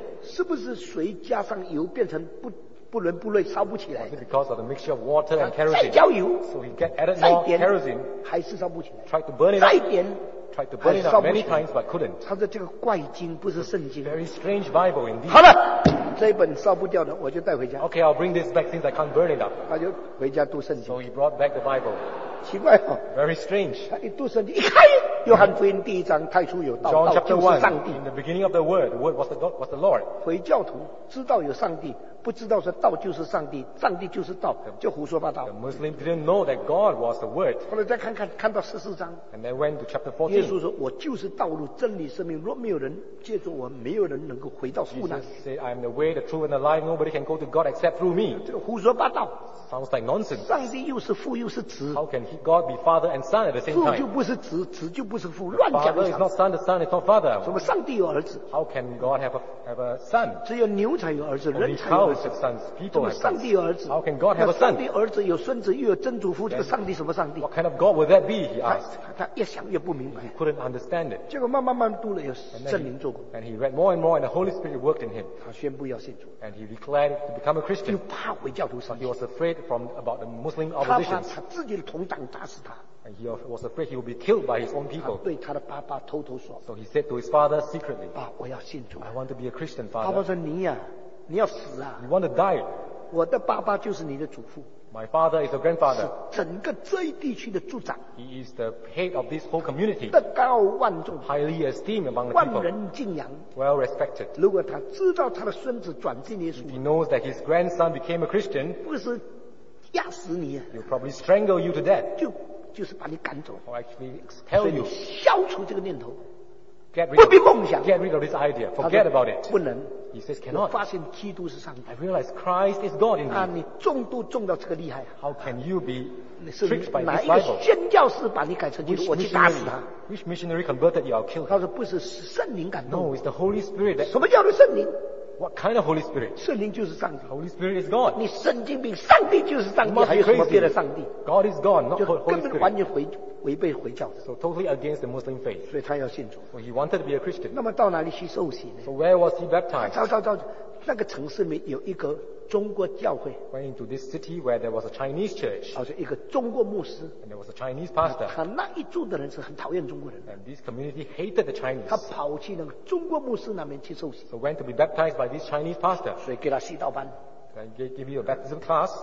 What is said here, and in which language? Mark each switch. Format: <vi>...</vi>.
<zh>是不是水加上油变成 不伦不类烧不起来</zh> <en>was it because of the mixture of water and kerosene</en> <zh>再浇油</zh> <en>so he get added more kerosene</en> <zh>还是烧不起来</zh> <en>tried to burn it</en> <zh>再点</zh> <en>tried to burn it up many times but couldn't</en> <zh>他说这个怪经不是圣经</zh> <en>very strange Bible indeed</en> <zh>好了这本烧不掉的我就带回家</zh> <en>ok I'll bring this back since I can't burn it up</en> <zh>他就回家读圣经</zh> <en>so he brought back the Bible</en> <zh>奇怪哦</zh> <en>very strange</en> <zh>他一读圣经一开约翰福音第一章太初有道</zh> <en>John chapter 1,</en> <zh>道就是上帝</zh> <en>in the beginning of the word was the Lord</en> <zh>回教徒知道有上帝不知道说道就是上帝上帝就是道就胡说八道</zh> <en>the Muslim didn't know that God was the word</en> <zh>后来再看看看到14章</zh> <en>and then went to chapter 14</en> <zh>耶稣说我就是道路真理生命若没有人借助我没有人能够回到父那里</zh> <en>Jesus said I am the way the truth and the life nobody can go to God except through me</en> <zh>这胡说八道</zh> <en>sounds like nonsense</en> <zh>上帝又是父又是子</zh> <en>how can God be father and son at the same time</en> <zh>父就不是子子就不是父乱讲</zh> <en>的 Father is not son the son is not father</en> <zh>什么上帝有儿子</zh> <en>how can God have a son</en> <zh>只有牛才有儿子人才有儿子上帝儿子</zh> <en>How can God have a son?</en> <zh>上帝儿子有孙子又有曾祖父这个上帝什么上帝</zh> <en>What kind of God would that be? He asked</en> <zh>他越想越不明白</zh> <en>He couldn't understand it</en> <zh>结果慢慢读了有圣灵做工</zh> <en>And he read more and more and the Holy Spirit worked in him</en> <zh>他宣布要信主</zh> <en>And he declared to become a Christian</en> <zh>又怕回教徒上</zh> <en>帝 He was afraid about the Muslim oppositions</en> <zh>他怕他自己的同党打死他</zh> <en>And he was afraid he would be killed by his own people</en> <zh>他对他的爸爸偷偷说</zh> <en>So he said to his father secretly</en> <zh>爸我要信主</zh> <en>I want to be a Christian father</en> <zh>爸爸说你啊你要死啊</zh> <en>you want to die.</en> <zh>我的爸爸就是你的祖父</zh> <en>My father is a grandfather.</en> <zh>是整个这一地区的族长</zh> <en>He is the head of this whole community.</en> <zh>德高万众</zh> <en>Highly esteemed among the people.</en> <zh>万人敬仰</zh> <en>Well respected.</en> <zh>如果他知道他的孙子转信耶稣</zh> <en>He knows that his grandson became a Christian.</en> <zh>不是压死你</zh> <en>He'll probably strangle you to death.</en> <zh>就是把你赶走</zh> <en>Or actually expel you.</en> <zh>消除这个念头</zh> <en>Get rid of,</en> <zh>不必梦想</zh> <en>Get rid of this idea. Forget about it.</en> <zh>不能</zh> <en>He says, cannot.</en> <zh>我发现基督是上帝。</zh> <en>I realize Christ is God in me.</en> <zh>你重度重到这个厉害。</zh> <en>How can you be tricked by this Bible?</en> <zh>哪一个宣教士把你改成基督徒？我去打死他。</zh> <en>Which missionary converted you? I'll kill him.</en> <zh>他说不是圣灵感动。</zh> <en>No, it's the Holy Spirit.</en> <zh>什么叫做圣灵？</zh> <en>What kind of Holy Spirit?</en> <zh>圣灵就是上帝。</zh> <en>Holy Spirit is God.</en> <zh>你神经病，上帝就是上帝，还有什么别的上帝</zh> <en>？God is God, not Holy Spirit.</en> <zh>根本完全回违背回教的。</zh> <en>So totally against the Muslim faith.</en> <zh>所以他要信主。</zh> <en>So he wanted to be a Christian.</en> <zh>那么到哪里去受洗呢</zh> <en>？So where was he baptized?</en> <zh>到那个城市里有一个中国教会。</zh> <en>Went into this city where there was a Chinese church.</en> <zh>好像一个中国牧师。</zh> <en>And there was a Chinese pastor.</en> <zh>他那一住的人是很讨厌中国人。</zh> <en>And this community hated the Chinese.</en> <zh>他跑去那个中国牧师那边去受洗。</zh> <en>So went to be baptized by this Chinese pastor.</en> <zh>所以给他洗道班。</zh> <en>And give you a baptism class.</en>